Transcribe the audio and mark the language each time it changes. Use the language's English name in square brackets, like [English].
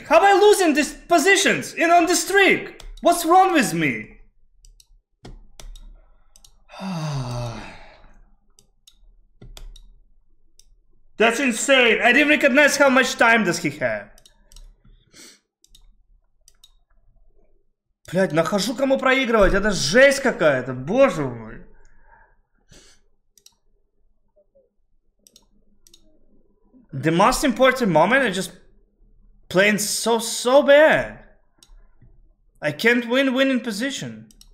[English] How am I losing these positions in on the streak? What's wrong with me? That's insane! I didn't recognize how much time does he have. [Russian] Блять, нахожу кому проигрывать, это жесть какая-то, боже мой. [English] The most important moment, I just playing so bad. I can't win winning position.